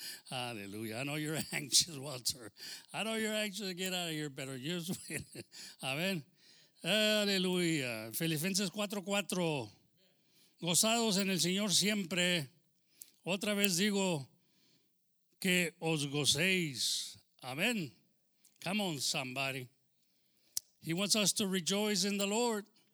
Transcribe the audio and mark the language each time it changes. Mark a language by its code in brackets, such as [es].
[en] Aleluya. I know you're anxious, Walter. I know you're anxious to get out of here, but you're just waiting. [es] Amén. Aleluya. Filipenses 4:4. Gozados en el Señor siempre. Otra vez digo que os gocéis. [en] Amén. Come on, somebody. He wants us to rejoice in the Lord.